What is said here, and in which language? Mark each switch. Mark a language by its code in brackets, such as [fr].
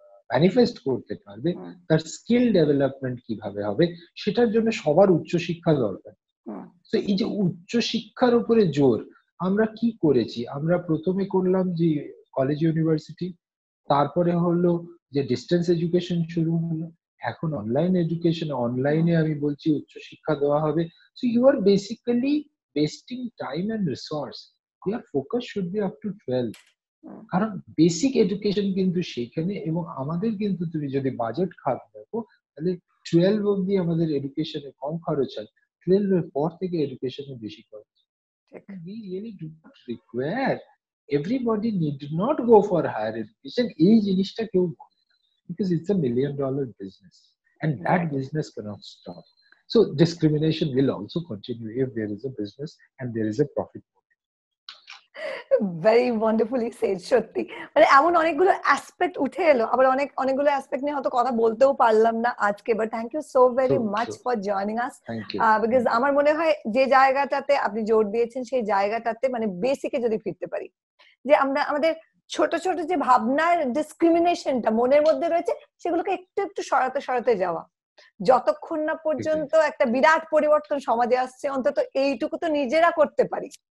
[bn] Manifest করতে পারবে তার স্কিল ডেভেলপমেন্ট কিভাবে হবে সেটার জন্য সবার উচ্চশিক্ষা দরকার তো এই যে উচ্চশিক্ষার উপরে জোর আমরা কি করেছি আমরা প্রথমে করলাম যে কলেজ ইউনিভার্সিটি তারপরে হলো যে ডিস্টেন্স এডুকেশন শুরু হলো এখন অনলাইন এডুকেশন অনলাইনে আমি বলছি উচ্চশিক্ষা দেওয়া হবে [en] So you are basically wasting time and resource. Their focus should be up to 12. [bn] কারণ বেসিক এডুকেশন কিন্তু সেখানে এবং আমাদের কিন্তু তুমি যদি বাজেট খাত দেখো তাহলে 12 অবধি আমাদের এডুকেশনে কম খরচ হয়, 12 এর পর থেকে এডুকেশনে বেশি খরচ। [en] We really do not require, everybody need not go for higher education. [bn] এই জিনিসটা কেউ [en] because it's a million dollar business and that business cannot stop. So discrimination will also continue if there is a business and there is a profit. Very wonderfully said, Shruti. [bn] But এমন অনেকগুলো aspect উঠে এলো, আবার অনেক অনেকগুলো aspect নিয়ে হয়তো কথা বলতেও পারলাম না আজকে, [en] but thank you so very much for joining us. Thank you. [bn] Because আমার মনে হয় যে জায়গাটাতে আপনি জোর দিয়েছেন সেই জায়গাটাতে মানে বেসিকে যদি ফিরতে পারি, যে আমরা আমাদের ছোট ছোট যে ভাবনার ডিসক্রিমিনেশনটা মনের মধ্যে রয়েছে সেগুলোকে একটু একটু সরাতে সরাতে যাওয়া, যতক্ষণ না পর্যন্ত একটা বিরাট পরিবর্তন সমাজে আসছে অন্তত এইটুকু তো নিজেরা করতে পারি।